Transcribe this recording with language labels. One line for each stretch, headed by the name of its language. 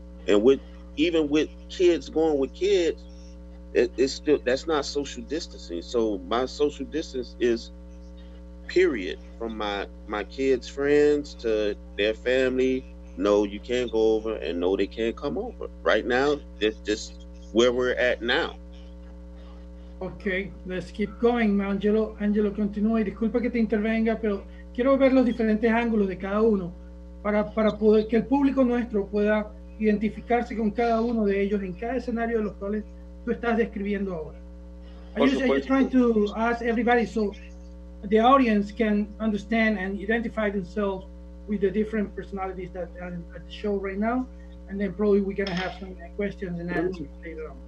English: And with kids going with kids, that's not social distancing. So my social distance is period. From my kids' friends to their family, no, you can't go over, and no, they can't come over. Right now, it's just where we're at now. Okay, let's keep going, Angelo.
Spanish: Angelo, continúa, y disculpa que te intervenga, pero quiero ver los diferentes ángulos de cada uno para poder que el público nuestro pueda identificarse con cada uno de ellos en cada escenario de los cuales tú estás describiendo ahora.
English: Are you trying to ask everybody so the audience can understand and identify themselves with the different personalities that are at the show right now, and then probably we're going to have some questions and answers later on.